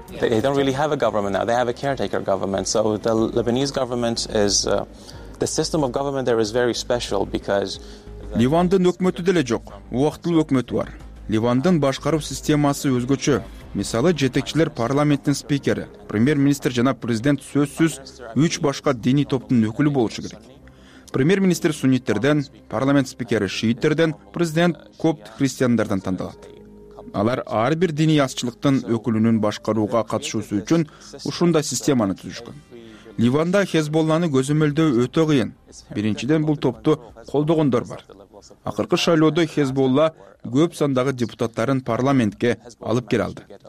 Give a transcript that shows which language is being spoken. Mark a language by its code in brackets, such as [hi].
[en] They don't really have a government now. They have a caretaker government. So the Lebanese government is the system of government there is very special because [ky] Ливандын өкмөтү деле жок. Убактылуу өкмөтү бар. Ливандын башкаруу системасы өзгөчө. Мисалы, жетекчилер парламенттин спикери, премьер-министр жана президент сөзсүз 3 башка диний топтун өкүлү болушу керек. Премьер-министр сунниттерден, парламент спикери шииттерден, президент копт христиандардан тандалат. Алар ар бир диний азчылыктын өкүлүнүн башкарууга катышуусу үчүн ушундай системаны түзүшкөн. Ливанда Хизбулланы көзөмөлдөө өтө кыйын. Биринчиден бул топту колдогондор бар. Акыркы шайлоодо Хизбулла көп сандагы депутаттарын парламентке алып кере алды.